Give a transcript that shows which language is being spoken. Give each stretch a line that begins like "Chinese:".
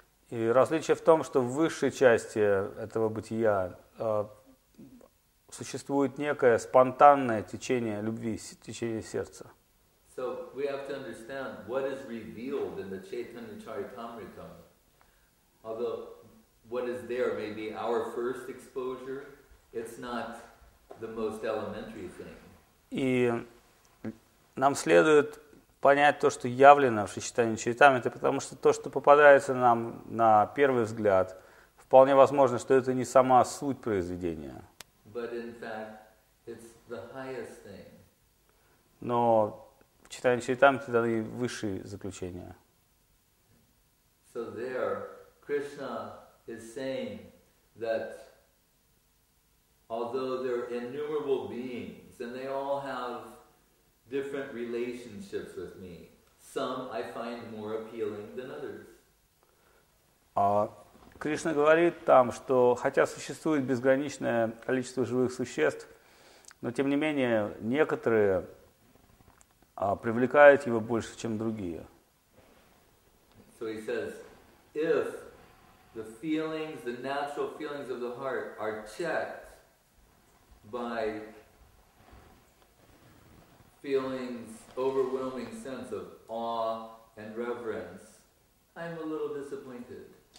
Russian: И различие в том, что в высшей части этого бытия существует некое спонтанное течение любви, течение сердца.
English: So we have to understand what is revealed in the Chaitanya Charitamrita. Although what is there may be our first exposure, it's not the most elementary thing.
Russian: И нам следует понять то, что явлено в Шичитане Чаритамрите, потому что то, что попадается нам на первый взгляд, вполне возможно, что это не сама суть произведения.
English: But in fact, it's the highest thing.
Russian: Но в Чаритане Чаритамрите даны высшие заключения.
English: So there, Krishna is saying that although there are innumerable beings and they all have different relationships with me, some I find more appealing than others.
Russian: Кришна говорит там, что хотя существует безграничное количество живых существ, но тем не менее некоторые привлекают его больше, чем другие.
English: So he says, if the feelings, the natural feelings of the heart are checked by feelings, overwhelming sense of awe and reverence, I'm a little disappointed.